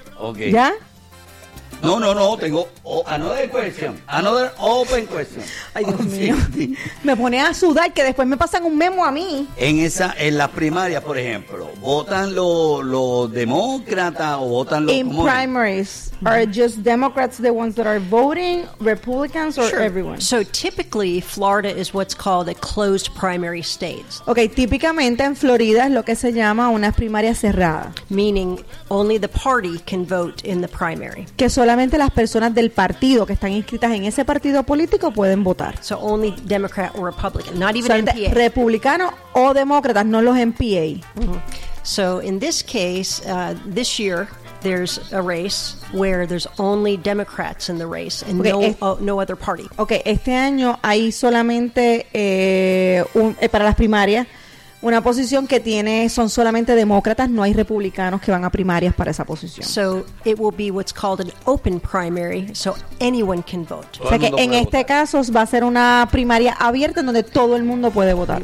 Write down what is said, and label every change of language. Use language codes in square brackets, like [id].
[en] Okay. [es] ¿Ya? No, tengo [en] another open question. [es] Ay, Dios mío. Me pone a sudar que después me pasan un memo a mí. En las primarias, por ejemplo, ¿votan los demócratas o votan los comunistas? [en] In primaries, are just Democrats the ones that are voting, Republicans, or everyone? So typically, Florida is what's called a closed primary state. [es] Okay, típicamente en Florida es lo que se llama una primaria cerrada. [en] Meaning, only the party can vote in the primary. [es] Que solamente las personas del partido que están inscritas en ese partido político pueden votar. [en] So only Democrat or Republican, not even NPA. [es] Republicano o demócrata, no los NPA. Mm-hmm. [en] So in this case, this year there's a race where there's only Democrats in the race and no other party. [es] Okay, este año hay solamente para las primarias una posición que tiene, son solamente demócratas, no hay republicanos que van a primarias para esa posición. [en] So it will be what's called an open primary, so anyone can vote. [es] O sea que en este caso va a ser una primaria abierta en donde todo el mundo puede votar.